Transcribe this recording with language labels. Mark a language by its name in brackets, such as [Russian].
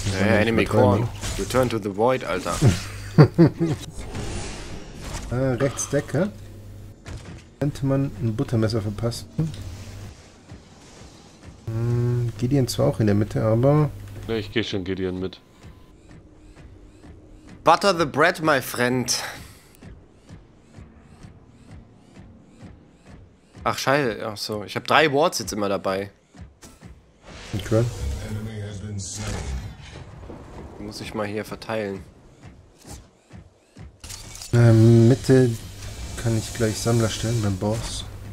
[English] Enemy Corn. Return to the Void, [German] Alter. rechts Decke. Könnte man ein Buttermesser verpassen. Gideon zwar auch in der Mitte, aber... Ja, ich gehe schon Gideon mit. [English] Butter the bread, my friend. [German] Ach scheiße, ach so, ich habe 3 Wards jetzt immer dabei. Okay. Die muss ich mal hier verteilen. Mitte kann ich gleich Sammler stellen beim Boss.